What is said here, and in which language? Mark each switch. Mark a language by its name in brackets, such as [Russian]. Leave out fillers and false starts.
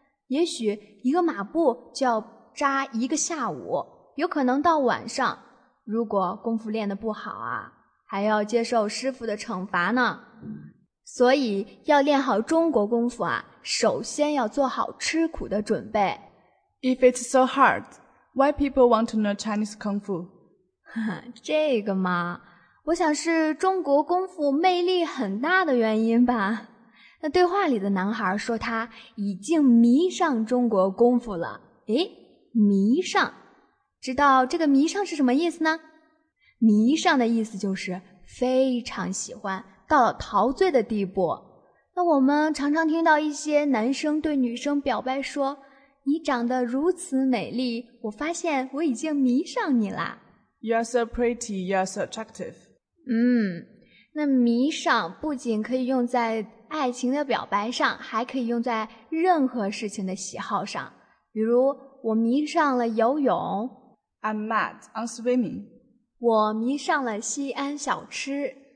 [Chinese] 也许一个马步就要扎一个下午，有可能到晚上，如果功夫练得不好啊，还要接受师傅的惩罚呢。所以要练好中国功夫啊，首先要做好吃苦的准备。 [English] If it's so hard, why people want to know Chinese Kung Fu? [Chinese] 这个嘛，我想是中国功夫魅力很大的原因吧。那对话里的男孩说他已经迷上中国功夫了。诶，迷上，知道这个迷上是什么意思呢？迷上的意思就是非常喜欢，到了陶醉的地步。那我们常常听到一些男生对女生表白说，你长得如此美丽，我发现我已经迷上你啦。 [English] You are so pretty, you are so attractive. [Chinese] 那迷上不仅可以用在爱情的表白上，还可以用在任何事情的喜好上。比如我迷上了游泳。 [English] I'm mad on swimming. [Chinese] 我迷上了西安小吃。